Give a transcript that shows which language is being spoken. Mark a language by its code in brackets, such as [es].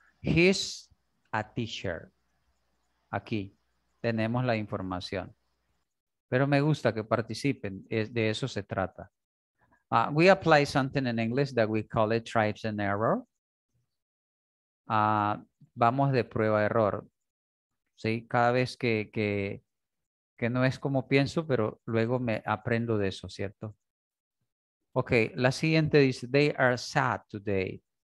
[en] He's a teacher. [es] Aquí tenemos la información. Pero me gusta que participen. De eso se trata. [en] We apply something in English that we call it trial and error. [es] Vamos de prueba error. Sí, cada vez que no es como pienso, pero luego me aprendo de eso, ¿cierto? Ok, la siguiente dice, [en] they are sad today.